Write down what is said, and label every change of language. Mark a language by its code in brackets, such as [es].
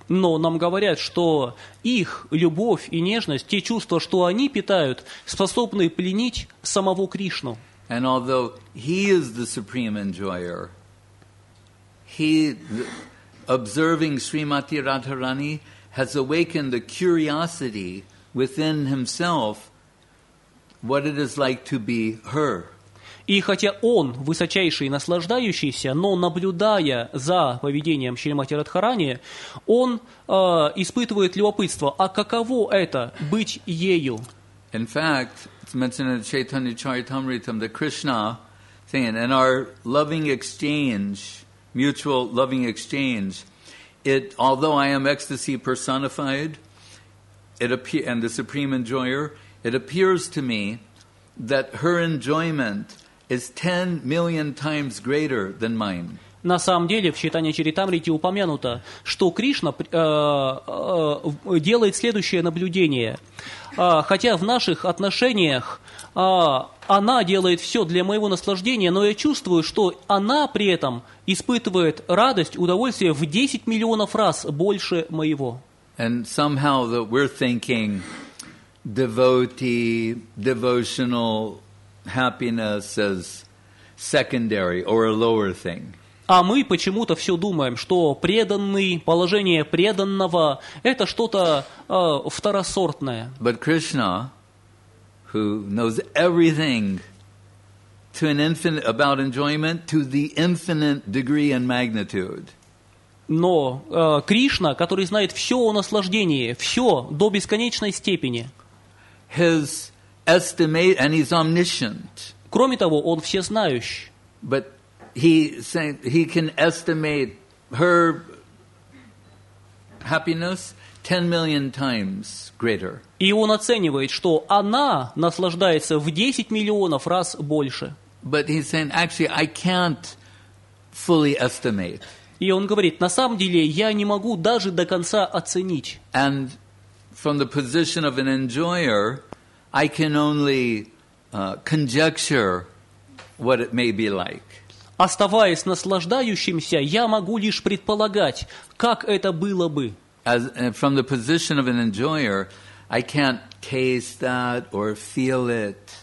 [ru] Но нам говорят, что их любовь и нежность, те чувства, что они питают, способны пленить самого Кришну. [en] And although he is the supreme enjoyer, he, observing Srimati Radharani, has awakened the curiosity within himself what it is like to be her. [ru] И хотя он высочайший наслаждающийся, но наблюдая за поведением Шримати Радхарани, он испытывает любопытство, а каково это быть ею? [en] In fact, it's mentioned in the Chaitanya Charitamritam that Krishna saying, and our loving exchange, mutual loving exchange, it, although I am ecstasy personified, it appear, and the supreme enjoyer, it appears to me that her enjoyment is 10 million times greater than mine. [ru] На самом деле, в Чайтанья Чаритамрите упомянуто, что Кришна делает следующее наблюдение. Хотя в наших отношениях она делает все для моего наслаждения, но я чувствую, что она при этом испытывает радость, удовольствие в 10 миллионов раз больше моего. [en] And somehow that we're thinking devotee, devotional happiness as secondary or a lower thing. [ru] А мы почему-то все думаем, что преданный, положение преданного – это что-то второсортное. [en] But Krishna, who knows everything to an infinite, about enjoyment to the infinite degree and magnitude. [ru] Но Кришна, который знает все о наслаждении, все до бесконечной степени. [en] His estimate, and he's omniscient. [ru] Кроме того, он всезнающий. [en] But he saying he can estimate her happiness 10 million times greater. [ru] И он оценивает, что она наслаждается в 10 миллионов раз больше. [en] But he's saying, actually, I can't fully estimate. [ru] И он говорит, на самом деле, я не могу даже до конца оценить. [en] And from the position of an enjoyer, I can only conjecture what it may be like. [ru] Оставаясь наслаждающимся, я могу лишь предполагать, как это было бы. [en] As, from the position of an enjoyer, I can't taste that or feel it.